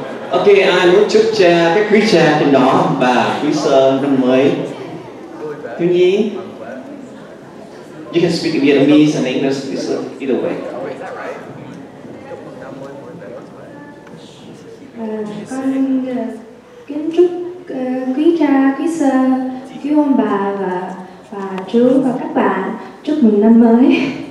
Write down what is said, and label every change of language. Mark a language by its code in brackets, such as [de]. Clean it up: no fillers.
[vi] Ok, ai muốn chúc cha, các quý cha trên đó và quý sơ năm mới. [en] Thiếu nhi, you can speak Vietnamese and English, please, either way. [vi] Con kính chúc quý cha, quý sơ, quý ông bà và bà chú và các bạn chúc mừng năm mới.